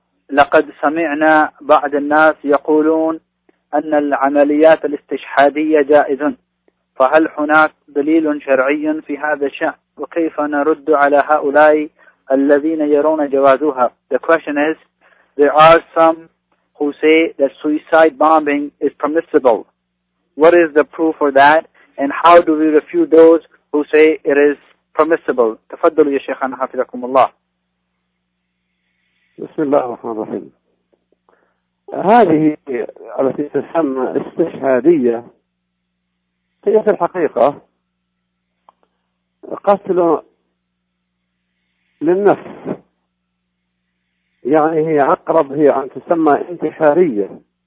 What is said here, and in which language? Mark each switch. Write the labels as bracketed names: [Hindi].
[Arabic] لقد سمعنا بعض الناس يقولون أن العمليات الاستشهادية جائز، فهل هناك دليل شرعي في هذا الشأن؟ وكيف نرد على هؤلاء الذين يرون جوازها؟ [English] The question is, there are some who say that suicide bombing is permissible. What is the proof for that? And how do we refute those who say it is permissible? [Arabic] تفضلوا يا شيخنا حفظكم الله. بسم الله الرحمن الرحيم. هذه التي تسمى استشهادية هي في الحقيقة قتل للنفس، يعني هي أقرب، هي أن تسمى انتحارية،